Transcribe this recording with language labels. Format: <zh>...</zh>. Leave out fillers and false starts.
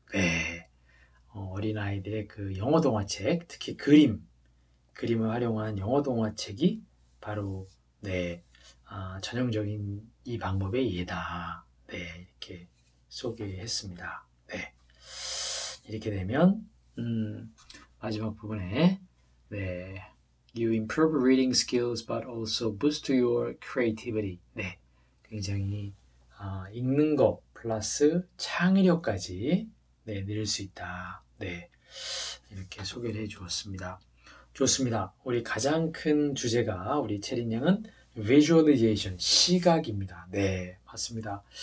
<ko>네, 어린아이들의 그 영어 동화책, 특히 그림을 활용한 영어 동화책이 바로, 네, 전형적인 이 방법의 예다. 네, 이렇게 소개했습니다. 네. 이렇게 되면, 마지막 부분에, 네.</ko> <en>You improve reading skills, but also boost your creativity.</en> <ko>네. 굉장히, 읽는 것, 플러스 창의력까지, 네, 늘수 있다. 네. 이렇게 소개를 해 주었습니다. 좋습니다. 우리 가장 큰 주제가, 우리 체린 양은, visualization, 시각입니다. 네, 맞습니다.</ko>